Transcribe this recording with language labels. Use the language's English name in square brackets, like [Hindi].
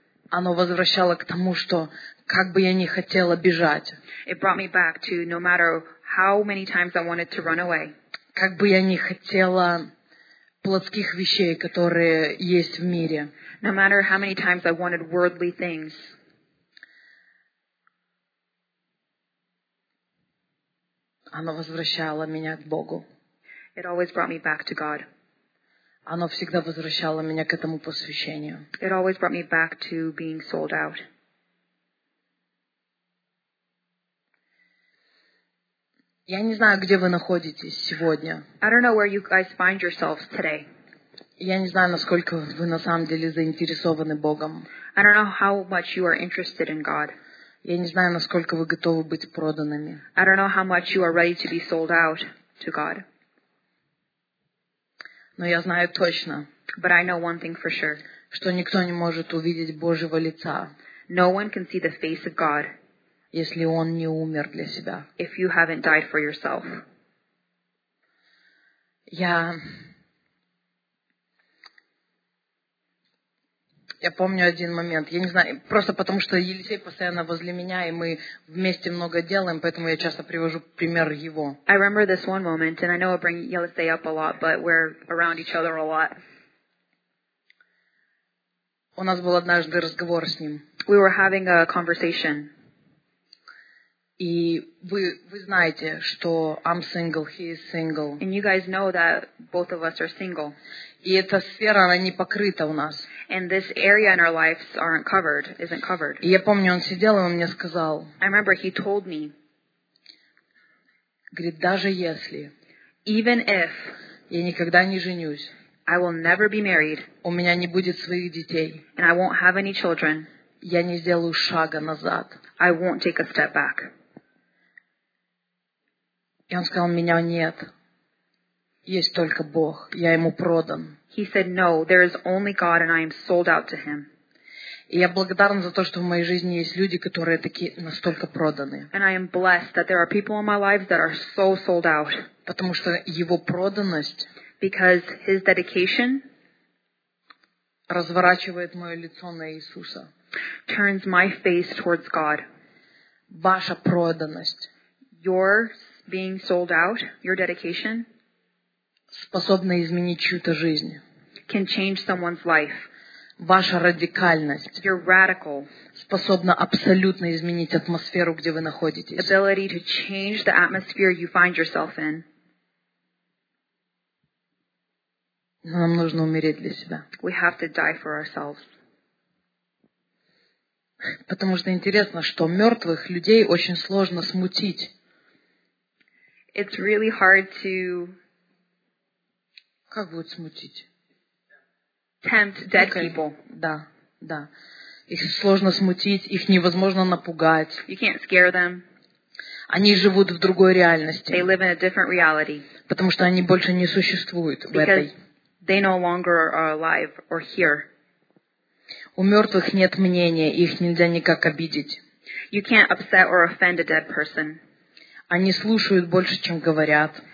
[Russian] Оно возвращало к тому, что как бы я ни хотела бежать. [English] It brought me back to no matter how many times I wanted to run away. [Russian] Как бы я ни хотела плотских вещей, которые есть в мире. [English] No matter how many times I wanted worldly things. [Russian] Оно возвращало меня к Богу. [English] It always brought me back to God. [Russian] Оно всегда возвращало меня к этому посвящению. [English] It always brought me back to being sold out. [Russian] Я не знаю, где вы находитесь сегодня. [English] I don't know where you guys find yourselves today. [Russian] Я не знаю, насколько вы на самом деле заинтересованы Богом. [English] I don't know how much you are interested in God. [Russian] Я не знаю, насколько вы готовы быть проданными. [English] I don't know how much you are ready to be sold out to God. [Russian] Но я знаю точно, [English] but I know one thing for sure, [Russian] что никто не может увидеть Божьего лица, [English] no one can see the face of God, [Russian] если Он не умер для себя. [English] If you haven't died for yourself. [Russian] Я помню один момент. Я не знаю, просто потому что Елисей постоянно возле меня, и мы вместе много делаем, поэтому я часто привожу пример его. [English] I remember this one moment, and I know I bring Елисей up a lot, but we're around each other a lot. [Russian] У нас был однажды разговор с ним. [English] We were having a conversation. [Russian] И вы знаете, что [English] I'm single, he is single. And you guys know that both of us are single. [Russian] И эта сфера, она не покрыта у нас. [English] And this area in our lives aren't covered, isn't covered. [Russian] И я помню, он сидел, и он мне сказал. [English] I remember he told me. [Russian] Говорит, даже если. [English] Even if. [Russian] Я никогда не женюсь. [English] I will never be married. [Russian] У меня не будет своих детей. [English] And I won't have any children. [Russian] Я не сделаю шага назад. [English] I won't take a step back. [Russian] И он сказал, меня нет. Есть только Бог. Я ему продан. [English] He said, no, there is only God and I am sold out to him. [Russian] И я благодарна за то, что в моей жизни есть люди, которые такие настолько проданы. [English] And I am blessed that there are people in my life that are so sold out. [Russian] Потому что его проданность, [English] because his dedication, [Russian] разворачивает мое лицо на Иисуса. [English] Turns my face towards God. [Russian] Ваша проданность, [English] your being sold out, your dedication, [Russian] способна изменить чью-то жизнь. [English] Can change someone's life. [Russian] Ваша радикальность. [English] You're radical. [Russian] Способна абсолютно изменить атмосферу, где вы находитесь. [English] Ability to change the atmosphere you find yourself in. [Russian] Нам нужно умереть для себя. [English] We have to die for ourselves. [Russian] Потому что интересно, что мертвых людей очень сложно смутить. [English] It's really hard to... [Russian] Как будет смутить? [English] Tempt dead people. [Russian] Да, да. Их сложно смутить, их невозможно напугать. [English] You can't scare them. [Russian] Они живут в другой реальности. [English] They live in a different reality. [Russian] Потому что они больше не существуют [English] Because [Russian] в этой. [English] They no longer are alive or here. [Russian] У мертвых нет мнения, их нельзя никак обидеть. [English] You can't upset or offend a dead person. [Russian] Они слушают больше, чем говорят.